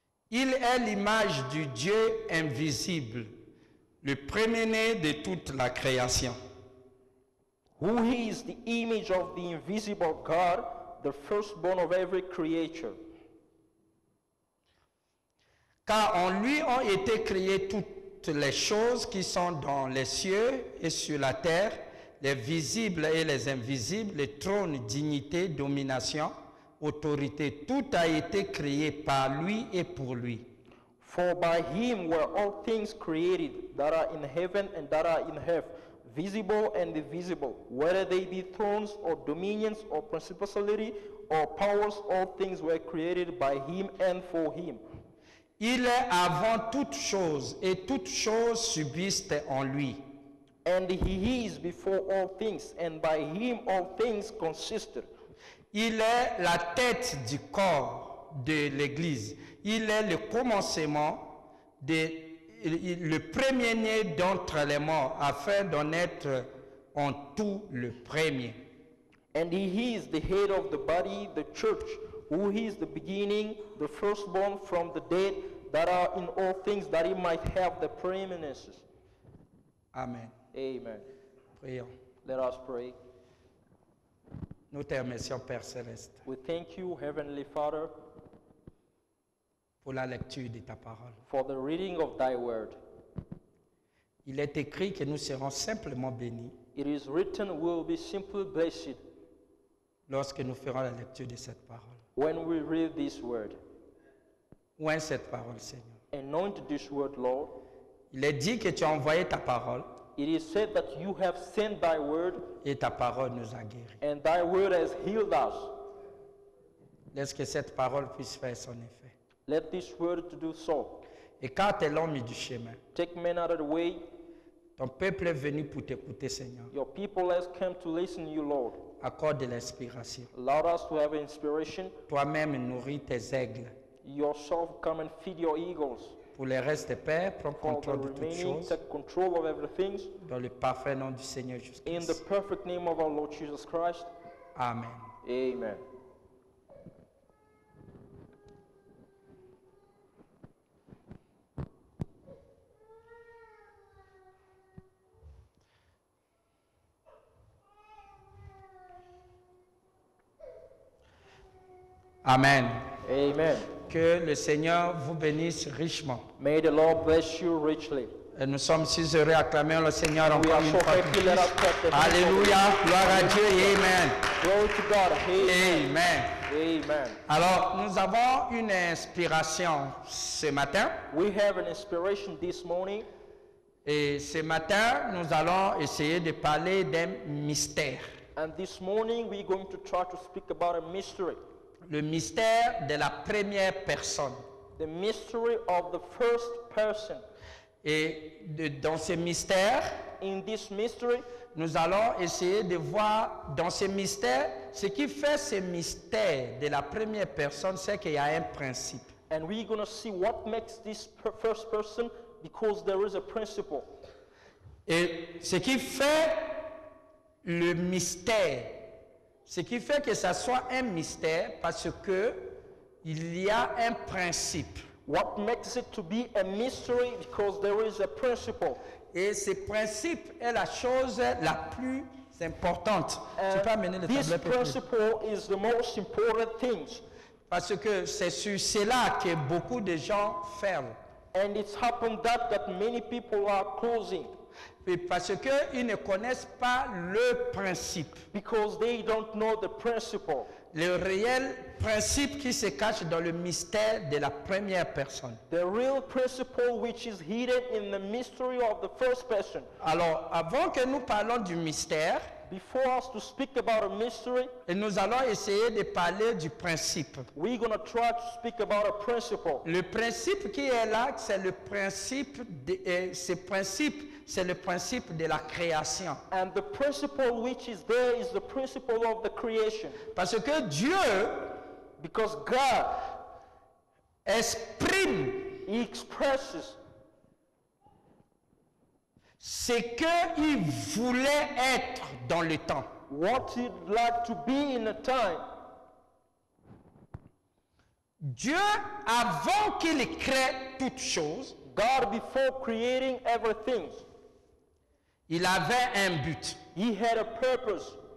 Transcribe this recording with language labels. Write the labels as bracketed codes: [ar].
[fr] Il est l'image du Dieu invisible, le premier-né de toute la création. [en] Who is the image of the invisible God, the firstborn of every creature? [fr] Car en lui ont été créées toutes les choses qui sont dans les cieux et sur la terre, les visibles et les invisibles, les trônes, dignité, domination, autorité, tout a été créé par lui et pour lui. [en] For by him were all things created that are in heaven and that are in earth, visible and invisible, whether they be thrones or dominions or principalities or powers, all things were created by him and for him. [fr] Il est avant toutes choses et toutes choses subsistent en lui. [en] And he is before all things, and by him all things consist. [fr] Il est la tête du corps de l'Église. Il est le commencement, de, le premier-né d'entre les morts, afin d'en être en tout le premier. [en] And he is the head of the body, the church, who is the beginning, the firstborn from the dead, that are in all things, that he might have the preeminence. Amen. Amen. [fr] Prions. [en] Let us pray. [fr] Nous te remercions, Père Céleste. [en] We thank you, Heavenly Father, [fr] pour la lecture de ta parole. [en] For the reading of thy word. [fr] Il est écrit que nous serons simplement bénis. [en] It is written we will be simply blessed. [fr] Lorsque nous ferons la lecture de cette parole. [en] When we read this word. [fr] Oint cette parole, Seigneur. [en] Anoint this word, Lord. [fr] Il est dit que tu as envoyé ta parole. [en] It is said that you have sent thy word. [fr] Et ta parole nous a guéris. [en] And thy word has healed us. [fr] Laisse que cette parole puisse faire son effet. [en] Let this word to do so. [fr] Écarte l'homme du chemin. [en] Take men out of the way. [fr] Ton peuple est venu pour t'écouter, Seigneur. [en] Your people has come to listen to you, Lord. [fr] Accorde l'inspiration. [en] Allow us to have inspiration. [fr] Toi-même nourris tes aigles. [en] Yourself come and feed your eagles. [fr] Pour les restes, Père, prends contrôle de toutes choses. [en] Take control of everything. [fr] Dans le parfait nom du Seigneur Jésus [en] Christ. In the perfect name of our Lord Jesus Christ. Amen. Amen. Amen. Amen. [fr] Que le Seigneur vous bénisse richement. [en] May the Lord bless you richly. [fr] Et nous sommes si heureux, acclamons le Seigneur encore une fois. Alléluia, gloire à Dieu, Amen. [en] Glory to God, Amen. [fr] Amen. Alors, nous avons une inspiration ce matin. [en] We have an inspiration this morning. [fr] Et ce matin, nous allons essayer de parler d'un mystère. [en] And this morning, we're going to try to speak about a mystery. [fr] Le mystère de la première personne. [en] The mystery of the first person. [fr] Et dans ce mystère, [en] in this mystery, [fr] nous allons essayer de voir dans ce mystère, ce qui fait ce mystère de la première personne, c'est qu'il y a un principe. [en] And we're going to see what makes this first person, because there is a principle. [fr] Et ce qui fait le mystère, ce qui fait que ça soit un mystère, parce que il y a un principe. [en] What makes it to be a mystery? Because there is a principle. [fr] Et ce principe est la chose la plus importante. Tu peux amener le tableau. [en] This principle is the most important thing. [fr] Parce que c'est sur cela que beaucoup de gens ferment. [en] And it's happened that many people are closing. [fr] Et parce que ils ne connaissent pas le principe. [en] Because they don't know the principle. [fr] Le réel principe qui se cache dans le mystère de la première personne. [en] The real principle which is hidden in the mystery of the first person. [fr] Alors, avant que nous parlons du mystère, [en] before us to speak about a mystery, [fr] et nous allons essayer de parler du principe. [en] We're going to try to speak about a principle. [fr] Le principe qui est là, c'est le principe de ce principe, c'est le principe de la création. [en] And the principle which is there is the principle of the creation. [fr] Parce que Dieu, [en] because God, [fr] exprime, [en] he expresses [fr] ce que il voulait être dans le temps. [en] What he'd like to be in a time. [fr] Dieu, avant qu'il crée toutes choses, [en] God before creating everything, [fr] il avait un but. [en] He had a purpose.